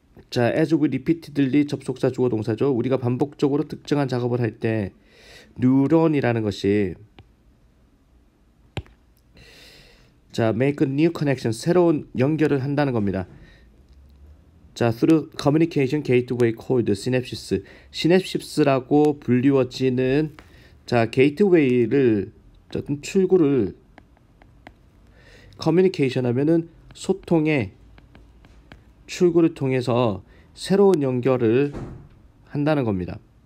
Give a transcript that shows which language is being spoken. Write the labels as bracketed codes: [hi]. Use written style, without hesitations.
[ko] 자, [en] as we repeatedly [ko] 접속사 주어 동사죠. 우리가 반복적으로 특정한 작업을 할때 neuron이라는 것이 자, [en] make a new connection, [ko] 새로운 연결을 한다는 겁니다. [en] 자, through communication gateway called synapses. [ko] synapses라고 불리워지는 자, 게이트웨이를 어떤 출구를 communication 하면은 소통의 출구를 통해서 새로운 연결을 한다는 겁니다.